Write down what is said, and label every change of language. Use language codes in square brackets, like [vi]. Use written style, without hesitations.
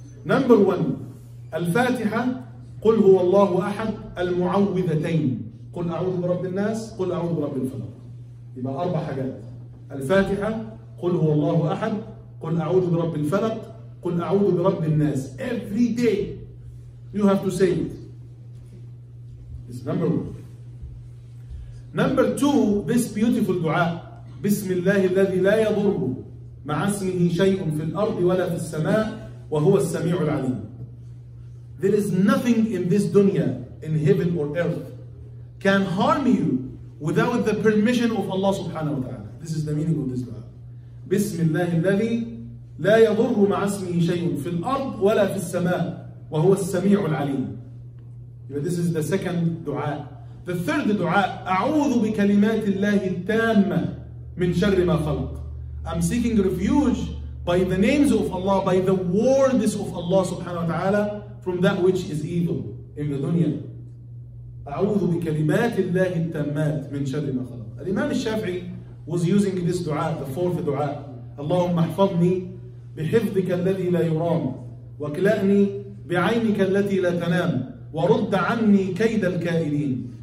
[en] Number one, [ar] Al-Fatiha, قُلْ هُوَ اللَّهُ أَحَدٌ الْمُعَوِّذَتَيْنِ قُلْ أَعُوذُ بِرَبِّ النَّاسِ قُلْ أَعُوذُ بِرَبِّ الْفَلَقِ. يبقى 4 حاجات. Al-Fatiha, قُلْ هُوَ اللَّهُ أَحَدٌ قُلْ أَعُوذُ بِرَبِّ الْفَلَقِ قُلْ أَعُوذُ بِرَبِّ النَّاسِ. [en] Every day, you have to say it. It's number one. Number two, this beautiful dua, [ar] بسم الله الذي لا يضر مع اسمه شيء في الأرض ولا في السماء وهو السميع العليم. [en] There is nothing in this dunya, in heaven or earth, can harm you without the permission of Allah subhanahu wa ta'ala. This is the meaning of this dua. [ar] Bismillah الذي لا يضر مع اسمه شيء في الأرض ولا في السماء وهو السميع العليم. [en] This is the second dua. The third dua, [ar] أعوذ بكلمات الله التامة من شر ما خلق. [en] I'm seeking refuge by the names of Allah, by the words of Allah subhanahu wa ta'ala, from that which is evil in the dunya. [ar] أعوذ بكلمات الله التامات من شر ما خلق. [en] الإمام الشافعي was using this dua, the 4th dua. [ar] اللهم احفظني بحفظك الذي لا يرام واكلأني بعينك التي لا تنام ورد عني كيد الكائدين.